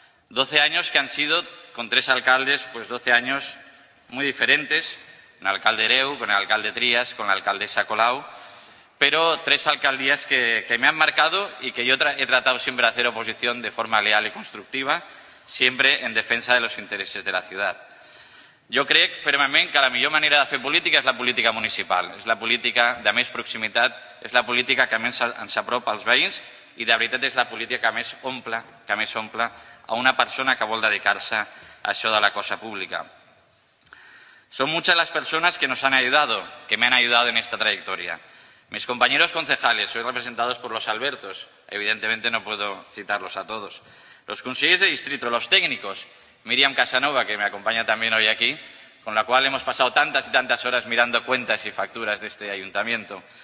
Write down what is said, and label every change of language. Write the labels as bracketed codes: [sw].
[es] 12 años que han sido, con tres alcaldes, pues 12 años muy diferentes, con el alcalde Hereu, con el alcalde Trias, con la alcaldesa Colau, pero tres alcaldías que me han marcado y que yo he tratado siempre de hacer oposición de forma leal y constructiva, siempre en defensa de los intereses de la ciudad. Yo creo firmemente que la mejor manera de hacer política es la política municipal, es la política de [ca] més proximitat, es la política que més ens apropa als veïns i de veritat és la política que més omple a una persona que vol dedicar-se a això de la cosa pública. [es] Son muchas las personas que nos han ayudado, que me han ayudado en esta trayectoria. Mis compañeros concejales, hoy representados por los Albertos, evidentemente no puedo citarlos a todos. Los consejeros de distrito, los técnicos, Miriam Casanova, que me acompaña también hoy aquí, con la cual hemos pasado tantas y tantas horas mirando cuentas y facturas de este ayuntamiento.